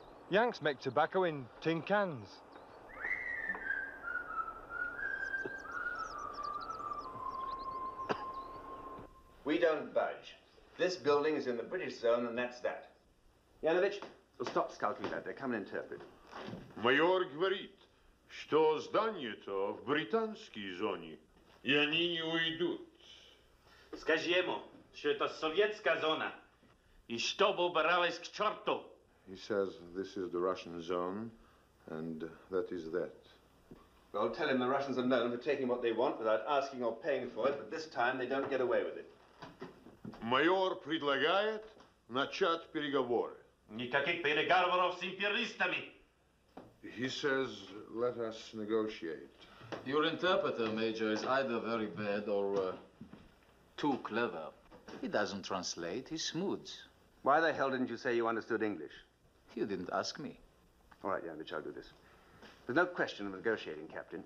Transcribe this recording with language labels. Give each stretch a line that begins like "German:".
English: Yanks make tobacco in tin cans. We don't budge. This building is in the British zone, and that's that. Yanovich, stop skulking about there. Come and interpret.
Russian: Майор говорит, что здание-то в британской зоне, и они не уйдут. Скажи ему, что это советская зона, и чтобы убирались к черту.
English: He says this is the Russian zone, and that is that. Well, tell him the Russians are known for taking what they want without asking or paying for it, but this time they don't get away with it.
Russian: Майор предлагает начать переговоры. Никаких переговоров с империалистами.
English: He says, let us negotiate. Your interpreter, Major, is either very bad or too clever. He doesn't translate, he smooths. Why the hell didn't you say you understood English? You didn't ask me. All right, Yanovich, I'll do this. There's no question of negotiating, Captain.